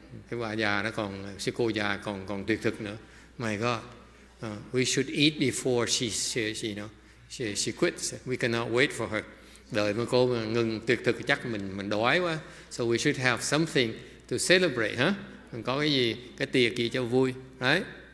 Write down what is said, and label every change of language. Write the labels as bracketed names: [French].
[Vietnamese] Cái bà già nó còn, sư cô già còn tuyệt thực nữa. [English] My God, we should eat before she quits. We cannot wait for her. [Vietnamese] Đợi mà cô ngừng tuyệt thực chắc mình đói quá. [English] So we should have something to celebrate, huh? [Vietnamese] Mình có cái gì, cái tiệc gì cho vui, right?